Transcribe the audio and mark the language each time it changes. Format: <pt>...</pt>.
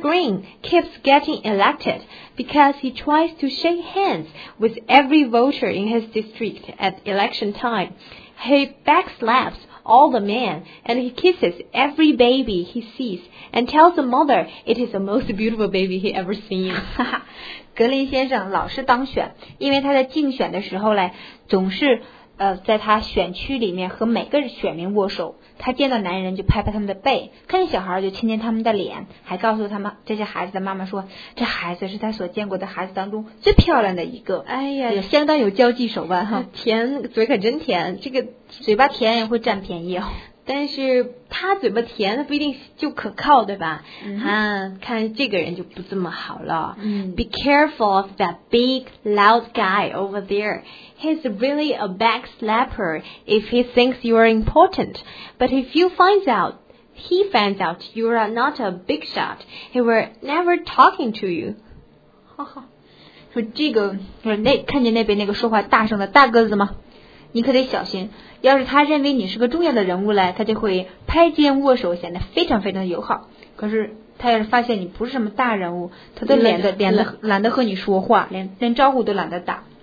<en>Green keeps getting elected because he tries to shake hands with every voter in his district at election time. He backslaps all the men and he kisses every baby he sees and tells the mother it is the most beautiful baby he ever seen.</en> <zh>格林先生老是当选，因为他在竞选的时候呢总是在他选区里面和每个选民握手，他见到男人就拍拍他们的背，看见小孩就亲亲他们的脸，还告诉他们这些孩子的妈妈说，这孩子是他所见过的孩子当中最漂亮的一个。哎呀，也相当有交际手腕哈，甜嘴可真甜，这个嘴巴甜也会占便宜哦。但是他嘴巴甜的不一定就可靠，对吧？看这个人就不这么好了。</zh> <en>Be careful of that big loud guy over there. He's really a backslapper if he thinks you are important. But if you find out, he finds out you are not a big shot, he will never talking to you.</en> <zh>说这个，看见那边那个说话大声的大个子吗？你可得小心，要是他认为你是个重要的人物来，他就会拍肩握手，显得非常非常友好。可是他要是发现你不是什么大人物，他都懒得和你说话，连招呼都懒得打。</zh>